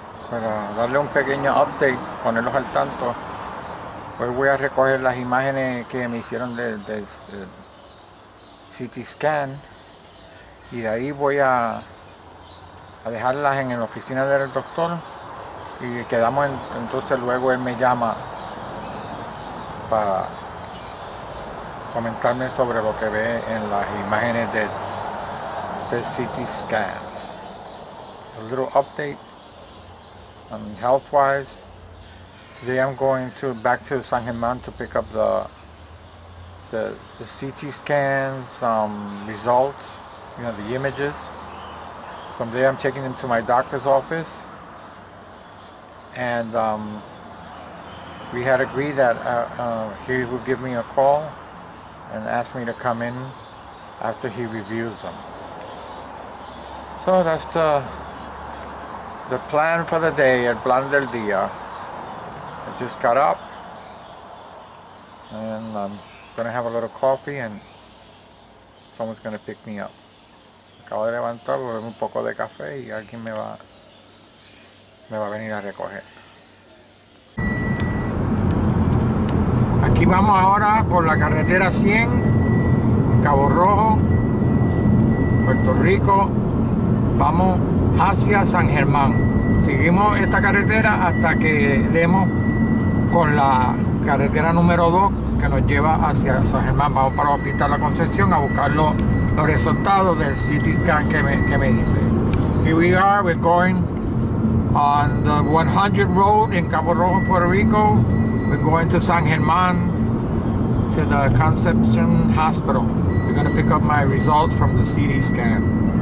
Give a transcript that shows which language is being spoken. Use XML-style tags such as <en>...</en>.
<es>Para darle un pequeño update, ponerlos al tanto, hoy voy a recoger las imágenes que me hicieron del CT scan y de ahí voy a dejarlas en la oficina del doctor y quedamos entonces luego él me llama para comentarme sobre lo que ve en las imágenes del CT scan.</es> <en>A little update on health wise. Today I'm going to back to San Germán to pick up the CT scans, results, you know, the images. From there I'm taking them to my doctor's office. And we had agreed that he would give me a call and ask me to come in after he reviews them. So that's the plan for the day, el plan del día. I just got up and I'm gonna have a little coffee and someone's gonna pick me up.</en> <es>Acabo de levantar, voy a beber un poco de café y alguien me va a venir a recoger. Aquí vamos ahora por la carretera 100, Cabo Rojo, Puerto Rico. Vamos hacia San Germán. Seguimos esta carretera hasta que demos con la carretera número 2 que nos lleva hacia San Germán. Vamos para el Hospital La Concepción a buscar los resultados del CT scan que me hice.</es> <en>Here we are, we're going on the 100 road in Cabo Rojo, Puerto Rico. We're going to San Germán, to the Concepción Hospital. We're going to pick up my results from the CT scan.</en>